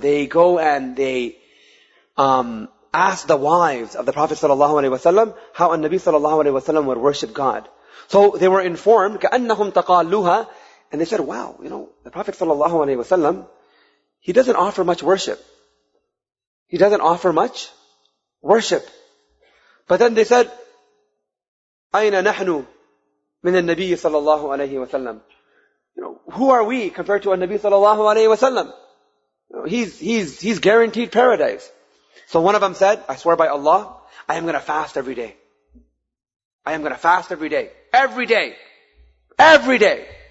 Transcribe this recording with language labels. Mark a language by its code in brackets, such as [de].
[en] They go and they ask the wives of the Prophet sallallahu alayhi wa sallam how an-nabi sallallahu alayhi wa sallam would worship God. So they were informed, [ar] ka'annahum taqalluha, [en] and they said, wow, you know, the Prophet sallallahu alayhi wa sallam, he doesn't offer much worship. He doesn't offer much worship. But then they said, [ar] أَيْنَ نَحْنُ مِنَ النَّبِيِّ صَلَى اللَّهُ عَلَيْهِ وَسَلَّمُ. [en] You know, who are we compared to النَّبِيِّ صَلَى اللَّهُ عَلَيْهِ وَسَلَّمُ? You know, he's guaranteed paradise. So one of them said, I swear by Allah, I am going to fast every day. I am going to fast every day. Every day. Every day.